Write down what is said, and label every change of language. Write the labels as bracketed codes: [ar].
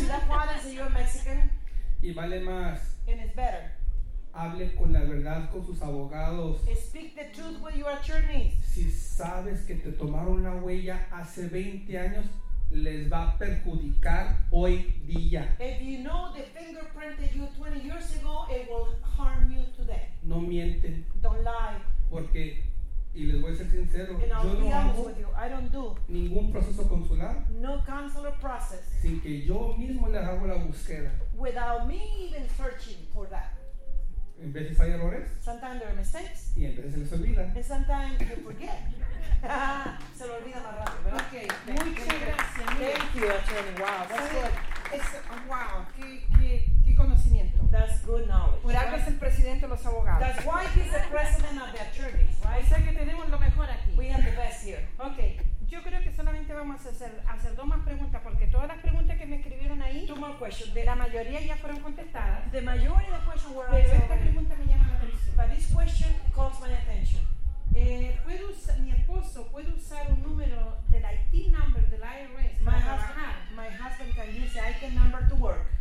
[es] ciudad Juárez, y [en] you're Mexican, [es] y vale más, [en] and it's better, [es] hable con la verdad con sus abogados, [en] speak the truth with your attorneys. [es] Si sabes que te tomaron la huella hace 20 años, les va a perjudicar hoy día. [en] If you know the fingerprint that you 20 years ago, it will harm you today. [es] No mienten, [en] don't lie, [es] porque, y les voy a ser sincero, yo no hago ningún proceso consular, [en] no consular process, [es] sin que yo mismo les hago la búsqueda, [en] without me even searching for that. [es] En veces hay errores, [en] sometimes there are mistakes, [es] y en veces se les olvida, [en] and sometimes you forget. [es] Se lo olvida más rápido, ¿verdad? Okay, muchas gracias. [en] Thank you, attorney. Wow, that's good. [es] Wow, qué conocimiento. [en] That's good knowledge. [es] Por algo es el presidente de los abogados. [en] That's why he's the president of the attorneys, right? [es] O sea que tenemos lo mejor aquí. [en] We have the best here. [es] Okay, yo creo que solamente vamos a hacer dos más preguntas, porque todas las preguntas que me escribieron ahí, [en] two more questions. [es] La mayoría ya fueron contestadas. [en] The majority of questions were answered. [es] Pero esta pregunta me llama la atención. [en] But this question calls my attention. [es] ¿Puedo usar, mi esposo puede usar un número del IT number del IRS? [en] My husband can use the IT number to work.